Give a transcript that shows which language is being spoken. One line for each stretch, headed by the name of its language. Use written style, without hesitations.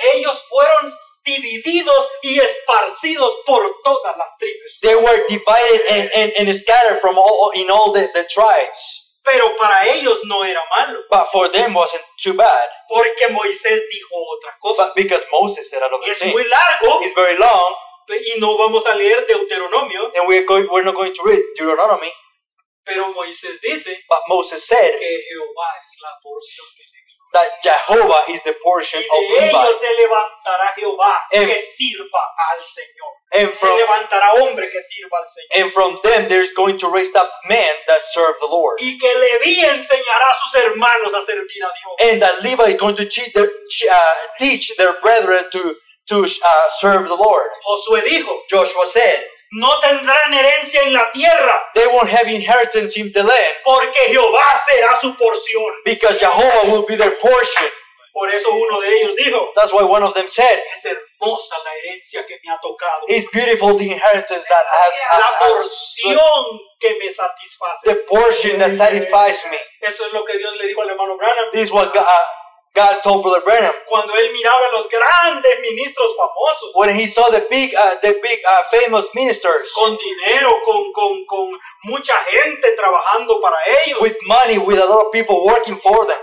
Spanish: Ellos fueron divididos y esparcidos por todas las tribus.
English: They were divided and scattered from all the tribes.
Spanish: Pero para ellos no era malo.
English: But for them wasn't too bad.
Spanish: Porque Moisés dijo otra cosa.
English: But because Moses said another thing.
Spanish: Es muy largo.
English: It's very long.
Spanish: Y no vamos a leer Deuteronomio.
English: And we're not going to read Deuteronomy.
Spanish: Pero Moisés dice.
English: But Moses said.
Spanish: Que Jehová es la porción de Levi.
English: That Jehovah is the portion of Levi.
Spanish: Y de ellos se levantará Jehová que sirva al Señor.
English: And from,
Spanish: se levantará hombre que sirva al Señor.
English: And from them there's going to raise up men that serve the Lord.
Spanish: Y que Levi enseñará a sus hermanos a servir a Dios.
English: And that Levi is going to teach their brethren to serve the Lord.
Spanish: Josué dijo.
English: Joshua said.
Spanish: No tendrán herencia en la tierra.
English: They won't have inheritance in the land.
Spanish: Porque Jehová será su porción.
English: Because Jehovah will be their portion.
Spanish: Por eso uno de ellos dijo.
English: That's why one of them said.
Spanish: Es hermosa la herencia que me ha tocado.
English: It's beautiful the inheritance that has.
Spanish: La porción que me satisface.
English: The portion that satisfies me.
Spanish: Esto es lo que Dios le dijo al hermano Branham.
English: This is what God told Brother Branham.
Spanish: Cuando él miraba los grandes ministros famosos.
English: When he saw the big famous ministers.
Spanish: Con dinero, con mucha gente trabajando para ellos.
English: With money, with a lot of people working for them.